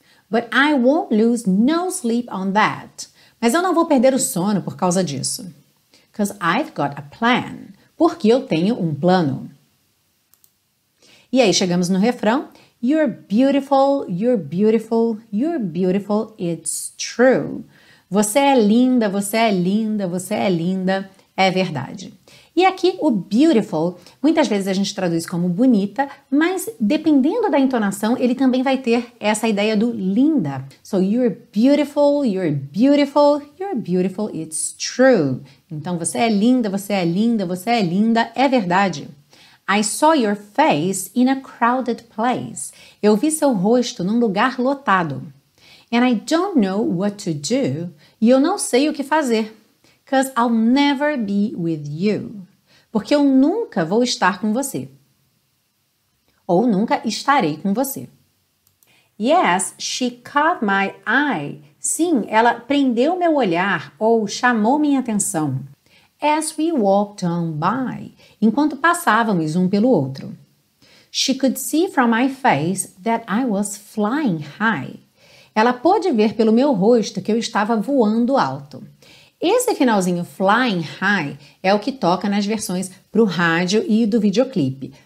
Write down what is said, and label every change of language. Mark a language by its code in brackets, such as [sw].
[en] But I won't lose no sleep on that. [pt] Mas eu não vou perder o sono por causa disso. [en] 'Cause I've got a plan. [pt] Porque eu tenho um plano. E aí chegamos no refrão. [en] You're beautiful, you're beautiful, you're beautiful, it's true. [pt] Você é linda, você é linda, você é linda. É verdade. E aqui o beautiful, muitas vezes a gente traduz como bonita, mas dependendo da entonação, ele também vai ter essa ideia do linda. [en] So you're beautiful, you're beautiful, you're beautiful, it's true. [pt] Então você é linda, você é linda, você é linda, é verdade. [en] I saw your face in a crowded place. [pt] Eu vi seu rosto num lugar lotado. [en] And I don't know what to do. [pt] E eu não sei o que fazer. [en] 'Cause I'll never be with you. [pt] Porque eu nunca vou estar com você. Ou nunca estarei com você. [en] Yes, she caught my eye. [pt] Sim, ela prendeu meu olhar ou chamou minha atenção. [en] As we walked on by. [pt] Enquanto passávamos um pelo outro. [en] She could see from my face that I was flying high. [pt] Ela pôde ver pelo meu rosto que eu estava voando alto. Esse finalzinho, flying high, é o que toca nas versões para o rádio e do videoclipe.